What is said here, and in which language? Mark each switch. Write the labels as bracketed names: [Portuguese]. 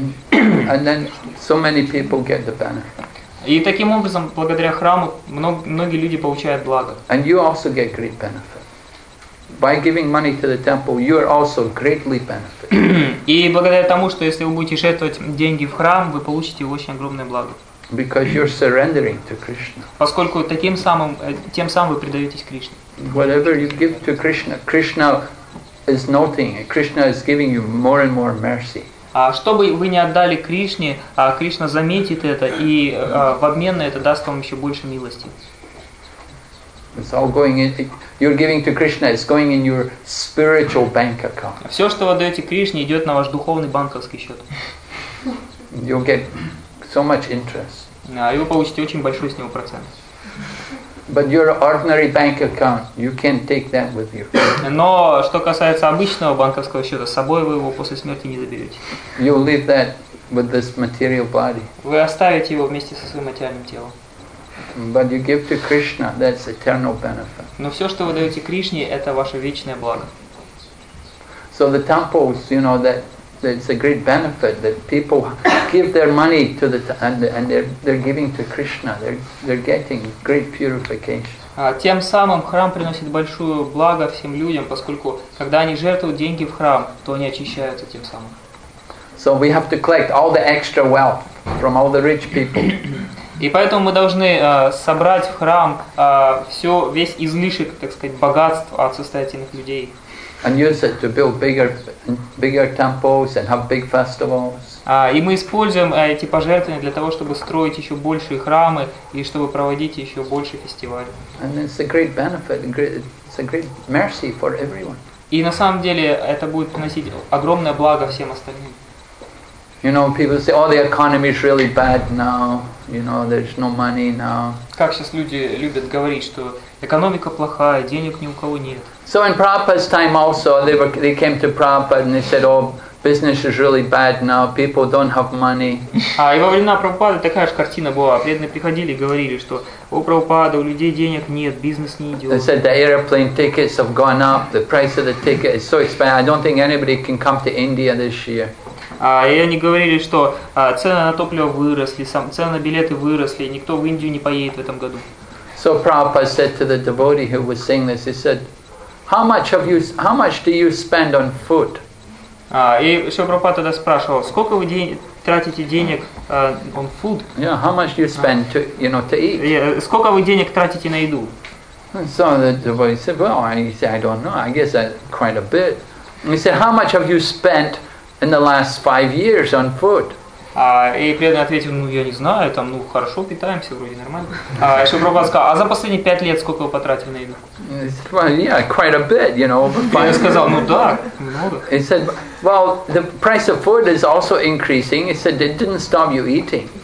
[English] And then so many people get the benefit. [Russian] И таким образом, благодаря храму, многие люди получают благо. [English] And you also get great benefit. By giving money to the temple, you are also greatly benefited. [Russian] И благодаря тому, что если вы будете жертвовать деньги в храм, вы получите очень огромное благо. [English] Because you're surrendering to Krishna. [Russian] Поскольку тем самым вы предаетесь Кришне. [English] Whatever you give to Krishna, Krishna is noting it. Krishna is giving you more and more mercy. [Russian] Что бы вы ни отдали Кришне, Кришна заметит это и в обмен на это даст вам еще больше милости. [English] It's all going in. You're giving to Krishna. It's going in your spiritual bank account. [Russian] Все, что вы отдаете Кришне, идет на ваш духовный банковский счет. [English] You'll get so much interest. [Russian] И вы получите очень большой с него процент. [English] But your ordinary bank account, you can't take that with you. [Russian] Но что касается обычного банковского счета, с собой вы его после смерти не заберете. [English] You leave that with this material body. [Russian] Вы оставите его вместе со своим материальным телом. [English] But you give to Krishna, that's eternal benefit. [Russian] Но все, что вы даете Кришне, это ваше вечное благо. [English] So the temples, you know, that it's a great benefit that people give their money to the and they're giving to Krishna. They're getting great purification. [Russian] Тем самым храм приносит большое благо всем людям, поскольку когда они жертвуют деньги в храм, то они очищаются тем самым. [English] So we have to collect all the extra wealth from all the rich people. [Russian] И поэтому мы должны собрать в храм все весь излишек, так сказать, богатств от состоятельных людей. [English] And use it to build bigger temples and have big festivals. [Russian] И мы используем эти пожертвования для того, чтобы строить еще большие храмы и чтобы проводить еще больше фестивалей. [English] And it's a great benefit, it's a great mercy for everyone. [Russian] И на самом деле это будет приносить огромное благо всем остальным. [English] You know, people say, "Oh, the economy is really bad now. You know, there's no money now." [Russian] Как сейчас люди любят говорить, что экономика плохая, денег ни у кого нет. [English] So in Prabhupada's time also, they came to Prabhupada and they said, "Oh, business is really bad now. People don't have money." [Russian] А и во времена Прабхупады такая же картина была. Преданные приходили и говорили, что у Прабхупады у людей денег нет, бизнес не идет. [English] They said the airplane tickets have gone up. The price of the ticket is so expensive. I don't think anybody can come to India this year. [Russian] И они говорили, что цены на топливо выросли, цены на билеты выросли, никто в Индию не поедет в этом году. [English] So Prabhupada said to the devotee who was saying this, he said, how much do you spend on food? [Russian] И Шрила Прабхупада тогда спрашивал, сколько вы тратите денег [English] on food? Yeah, how much do you spend to, you know, to eat? [Russian] Сколько вы денег тратите на еду? [English] So the devotee said, well, he said, I don't know, I guess quite a bit. And he said, how much have you spent in the last 5 years on food? [Russian] И преданный ответил, ну я не знаю, там, ну хорошо, питаемся, вроде нормально. Шрила Прабхупада сказал, а за последние 5 лет сколько вы потратили на еду? [English] He said, well, yeah, quite a bit, you know. [Russian] Я сказал, ну да, много. [English] He said, well, the price of food is also increasing. He said, it didn't stop you eating.